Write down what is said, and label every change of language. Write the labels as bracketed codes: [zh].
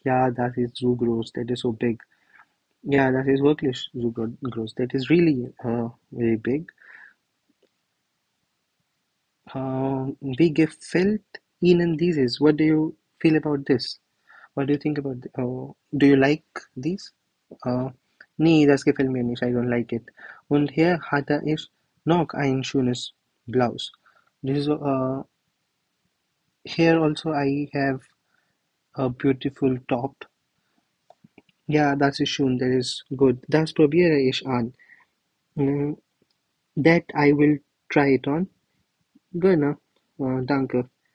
[en] Yeah, that is so gross. That is so big. Yeah, that is [de] wirklich [en] so gross. That is really very big. [de] Wie gefällt Ihnen dieses? [en] What do you feel about this? What do you think about do you like this? [de] Nee, das gefällt mir nicht. [en] I don't like it. [de] Und hier hat ich noch ein schönes Blouse. [en] This is here also I have a beautiful top. Yeah, that's a shoe. That is good. [de] Das probiere ich an. [en] That I will try it on. [de] Gerne. Danke.